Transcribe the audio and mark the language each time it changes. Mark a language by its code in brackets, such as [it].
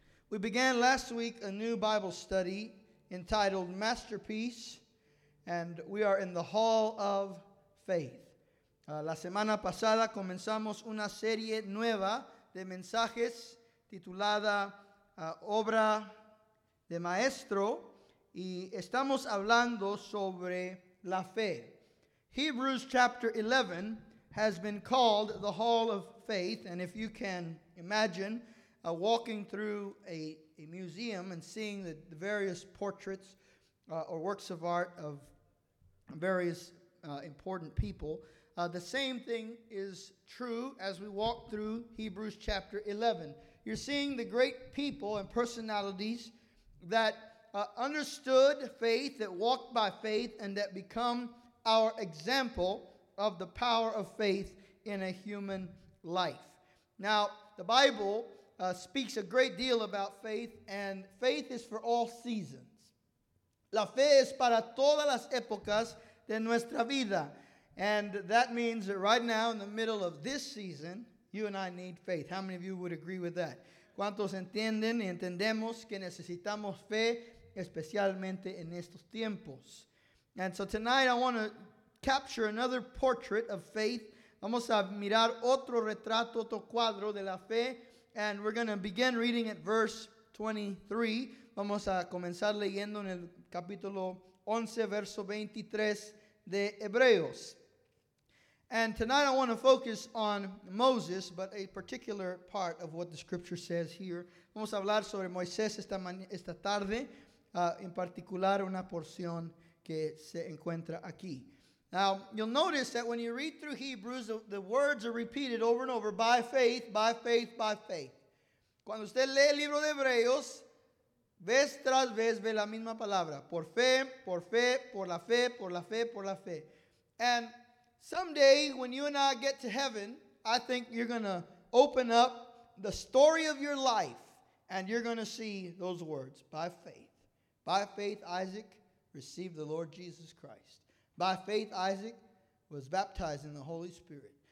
[en] We began last week a new Bible study entitled Masterpiece, and we are in the Hall of Faith. [es] La semana pasada comenzamos una serie nueva de mensajes titulada Obra de Maestro, y estamos hablando sobre la fe. [en] Hebrews chapter 11 has been called the Hall of Faith, and if you can imagine walking through a museum and seeing the various portraits or works of art of various important people, the same thing is true as we walk through Hebrews chapter 11. You're seeing the great people and personalities that understood faith, that walked by faith, and that become our example of the power of faith in a human life. Now, the Bible speaks a great deal about faith, and faith is for all seasons. [es] La fe es para todas las épocas de nuestra vida. [en] And that means that right now, in the middle of this season, you and I need faith. How many of you would agree with that? [es] ¿Cuántos entienden y entendemos que necesitamos fe, especialmente en estos tiempos? [en] And so tonight I want to capture another portrait of faith. [es] Vamos a mirar otro retrato, otro cuadro de la fe. [en] And we're going to begin reading at verse 23. [es] Vamos a comenzar leyendo en el capítulo 11, verso 23 de Hebreos. [en] And tonight I want to focus on Moses, but a particular part of what the scripture says here. [es] Vamos a hablar sobre Moisés esta tarde, en particular una porción que se encuentra aquí. [en] Now, you'll notice that when you read through Hebrews, the words are repeated over and over, by faith, by faith, by faith. [es] Cuando usted lee el libro de Hebreos, vez tras vez ve la misma palabra, por fe, por fe, por la fe, por la fe, por la fe. [en] And someday, when you and I get to heaven, I think you're going to open up the story of your life, and you're going to see those words, by faith. By faith, Isaac received the Lord Jesus Christ. By faith, Isaac was baptized in the Holy Spirit.